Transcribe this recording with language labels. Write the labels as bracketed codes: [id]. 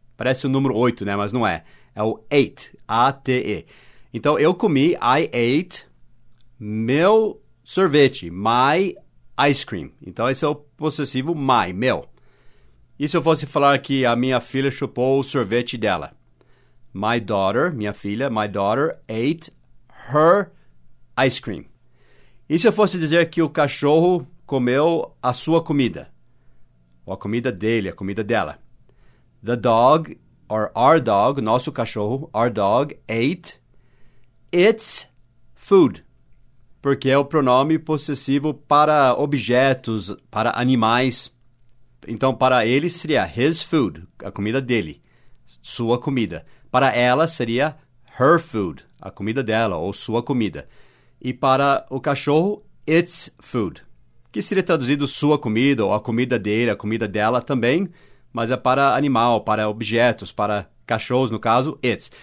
[pt] Parece o número 8, né? Mas não é. É o ate. A-T-E. Então, eu comi, [en] I ate, [pt] meu sorvete, [en] my ice cream. [pt] Então, esse é o possessivo my, meu. E se eu fosse falar que a minha filha chupou o sorvete dela? [en] My daughter, [pt] minha filha, [en] my daughter ate her ice cream. [pt] E se eu fosse dizer que o cachorro comeu a sua comida, ou a comida dele, a comida dela. [en] The dog, or our dog, [pt] nosso cachorro, [en] our dog, ate its food. [pt] Porque é o pronome possessivo para objetos, para animais. Então, para ele seria [en] his food, [pt] a comida dele, sua comida. Para ela seria [en] her food, [pt] a comida dela, ou sua comida. E para o cachorro, [en] its food. [pt] Que seria traduzido sua comida, ou a comida dele, a comida dela também, mas é para animal, para objetos, para cachorros, no caso, its.